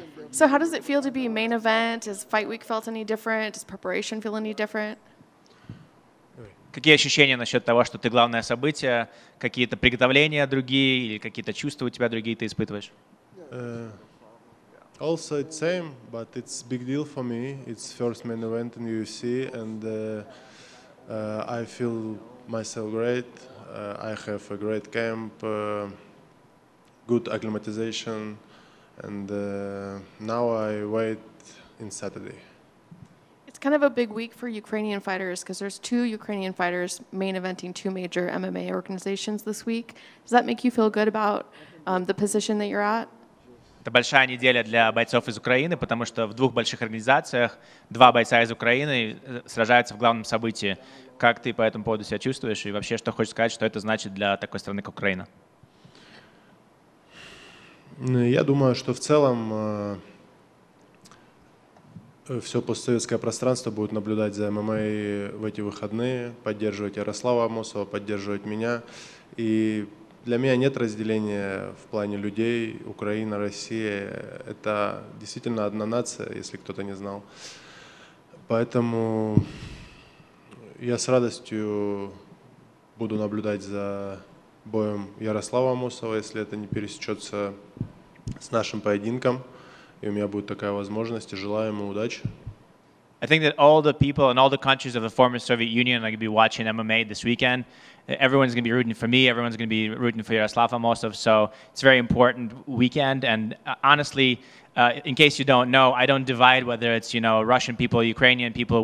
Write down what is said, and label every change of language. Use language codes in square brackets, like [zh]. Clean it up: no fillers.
[en] So how does it feel to be main event? Has fight week felt any different? Does preparation feel any different? [ru] Какие ощущения насчет того, что ты главное событие? Какие-то приготовления другие или какие-то чувства у тебя другие ты испытываешь? [en] Also it's same, but it's big deal for me. It's first main event in UFC, and I feel myself great. I have a great camp, good acclimatization, and now I wait in Saturday. It's kind of a big week for Ukrainian fighters because there's two Ukrainian fighters main eventing two major MMA organizations this week. Does that make you feel good about the position that you're at? [ru] Это большая неделя для бойцов из Украины, потому что в двух больших организациях два бойца из Украины сражаются в главном событии. Как ты по этому поводу себя чувствуешь? И вообще, что хочешь сказать, что это значит для такой страны, как Украина? Я думаю, что в целом все постсоветское пространство будет наблюдать за ММА в эти выходные, поддерживать Ярослава Амосова, поддерживать меня. И для меня нет разделения в плане людей, Украина, Россия. Это действительно одна нация, если кто-то не знал. Поэтому я с радостью буду наблюдать за боем Ярослава Амосова, если это не пересечется с нашим поединком. И у меня будет такая возможность. И желаю ему удачи. [en] I think that all the people and all the countries of the former Soviet Union are going to be watching MMA this weekend. Everyone's going to be rooting for me. Everyone's going to be rooting for Yaroslav Amosov. So it's a very important weekend. And honestly, in case you don't know, I don't divide whether it's, you know, Russian people, Ukrainian people.